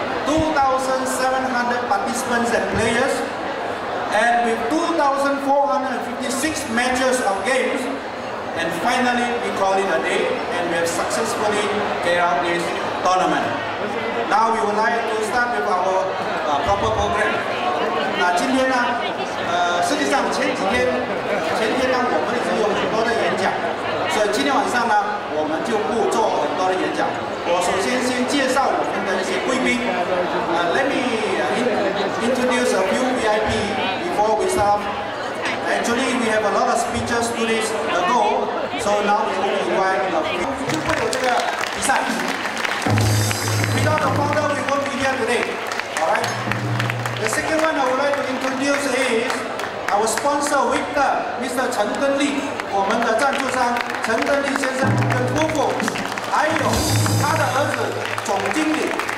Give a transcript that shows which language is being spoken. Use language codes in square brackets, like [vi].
[en] 2,700 participants and players, and with 2,456 matches of games, and finally we call it a day, and we have successfully carried out this tournament. Now we would like to start with our proper program. [zh] 那今天呢，实际上前天呢，我们已经有很多的演讲，所以今天晚上呢，我们就不做很多的演讲。我首先先介绍我们的一些贵宾。 [en] Let me introduce a few VIP before we start. Actually, we have a lot of speeches to this ago, so now we will invite a few. [zh] 就会有这个比赛。 [en] Without the founder, we won't be here today. All right. The second one I would like to introduce is our sponsor, Victor, Mr. [zh] 陈根利，我们的赞助商陈根利先生跟夫妇。还有他的儿子总经理。